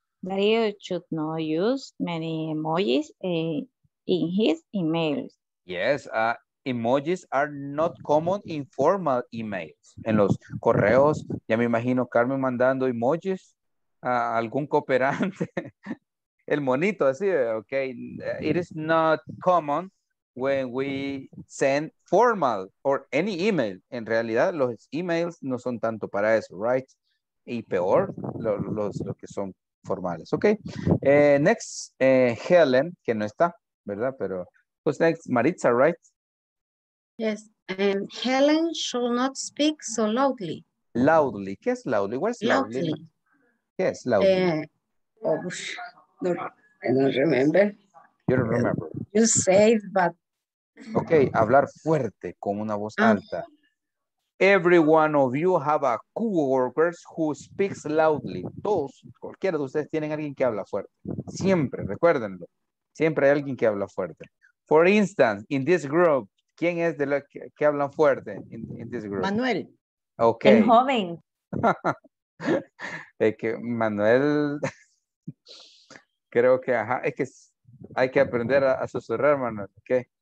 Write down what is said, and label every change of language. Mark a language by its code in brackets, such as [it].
[en] Darío should not use many emojis in his emails. Yes, emojis are not common in formal emails. [es] En los correos, ya me imagino Carmen mandando emojis a algún cooperante. El monito así, okay. [en] It is not common when we send formal or any email. [es] En realidad, los emails no son tanto para eso, right? Y peor, los que son formales, okay? Next, Helen, que no está, ¿verdad? Pero [en] Who's next? Maritza, right? Yes. Helen should not speak so loudly. [es] Loudly. ¿Qué es loudly? [en] What is loudly? [es] ¿Qué es loudly? [en] I don't remember. You don't remember. You say, but... [es] Okay, hablar fuerte, con una voz alta. [en] Every one of you have a coworker who speaks loudly. [es] Todos, cualquiera de ustedes tienen alguien que habla fuerte. Siempre, recuérdenlo. Siempre hay alguien que habla fuerte. [en] For instance, in this group, [es] ¿quién es de los que hablan fuerte [en] in this group? [es] Manuel. [en] Okay. [es] El joven. Es que Manuel, creo que, ajá, es que hay que aprender a susurrar, Manuel. Okay.